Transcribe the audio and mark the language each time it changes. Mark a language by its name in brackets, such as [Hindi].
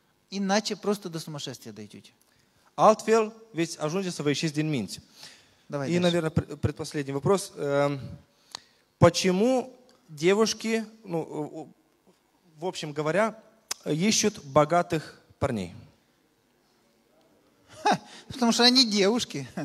[Russian] Иначе просто до сумасшествия дойдете. [Romanian] Altfel veți ajunge să vă ieșiți din minți. [Russian] Давай. И, наверное, предпоследний вопрос. Почему девушки, ну, в общем говоря, ищут богатых парней? Ха, потому что они девушки.